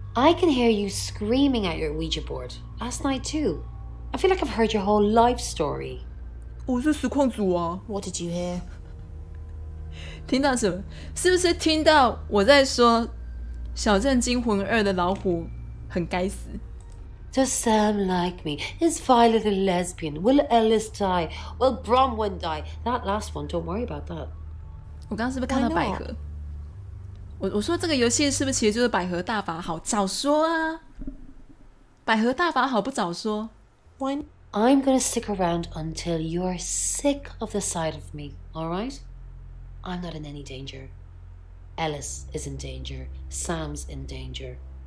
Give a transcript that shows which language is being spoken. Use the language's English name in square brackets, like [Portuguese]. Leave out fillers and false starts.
[English] I can hear you screaming at your Ouija board. Last night too. I feel like I've heard your whole life story. [Chinese] 我是实况组啊。 [English] What did you hear? [Chinese] 听到什么？是不是听到我在说《小镇惊魂二》的老虎很该死？ [English] Does Sam like me? Is Violet a lesbian? Will Ellis die? Will Bronwyn die? That last one, don't worry about that. [Chinese] 我刚刚是不是看到百合？我说这个游戏是不是其实就是百合大法好？早说啊！百合大法好不早说 [English] ？When I'm gonna stick around until you're sick of the sight of me, all right? I'm not in any danger. Ellis is in danger. Sam's in danger.